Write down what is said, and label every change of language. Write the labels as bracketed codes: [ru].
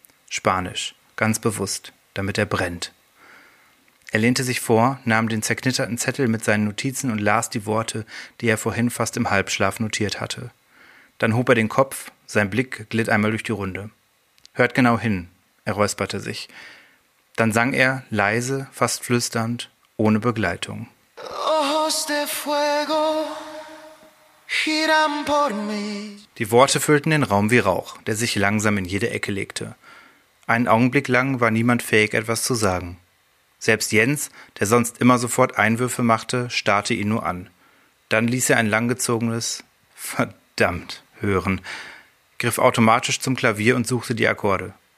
[de] »Spanisch, ganz bewusst, damit er brennt.« Er lehnte sich vor, nahm den zerknitterten Zettel mit seinen Notizen und las die Worte, die er vorhin fast im Halbschlaf notiert hatte. Dann hob er den Kopf, sein Blick glitt einmal durch die Runde. »Hört genau hin«, er räusperte sich. Dann sang er, leise, fast flüsternd, ohne Begleitung. [es] Ojos de fuego, giran por mí. [de] Die Worte füllten den Raum wie Rauch, der sich langsam in jede Ecke legte. Einen Augenblick lang war niemand fähig, etwas zu sagen. Selbst Jens, der sonst immer sofort Einwürfe machte, starrte ihn nur an. Dann ließ er ein langgezogenes »Verdammt« hören, griff automatisch zum Klavier und suchte die Akkorde.